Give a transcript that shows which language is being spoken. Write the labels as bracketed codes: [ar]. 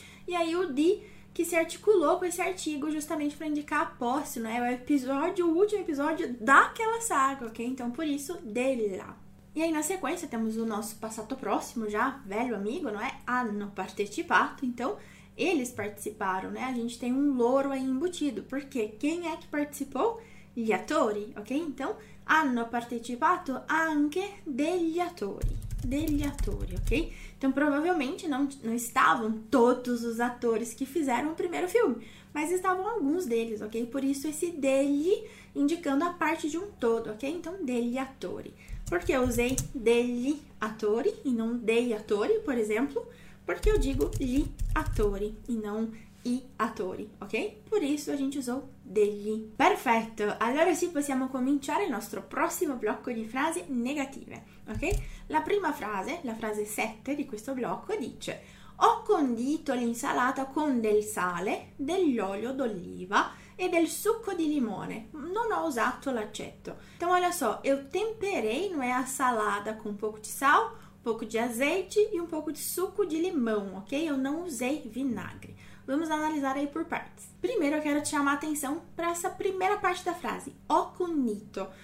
[pt] E aí, o di, que se articulou com esse artigo justamente para indicar a posse, não é? O episódio, o último episódio daquela saga, ok? Então, por isso, della. E aí, na sequência, temos o nosso passato próximo, já, velho amigo, não é? [it] Hanno partecipato, [pt] então. Eles participaram, né? A gente tem um loro aí embutido, porque quem é que participou? [it] Gli attori, ok? [pt] Então, [it] hanno partecipato anche degli attori, [pt] ok? Então, provavelmente não estavam todos os atores que fizeram o primeiro filme, mas estavam alguns deles, ok? Por isso, esse degli indicando a parte de um todo, ok? Então, [it] degli attori. [pt] Porque eu usei degli attori e não [it] dei attori, [pt] por exemplo. Porque eu digo [it] gli attori [pt] e não [it] i attori, [pt] ok? Por isso a gente usou degli. [it] Perfetto! Allora sì, possiamo cominciare il nostro prossimo blocco di frasi negative, ok? La prima frase, la frase 7 di questo blocco, dice: ho condito l'insalata con del sale, dell'olio d'oliva e del succo di limone. Non ho usato l'aceto. [pt] Então, olha só, eu temperei, não é, a salada com um pouco de sal, um pouco de azeite e um pouco de suco de limão, ok? Eu não usei vinagre. Vamos analisar aí por partes. Primeiro, eu quero te chamar a atenção para essa primeira parte da frase, [it] ho condito.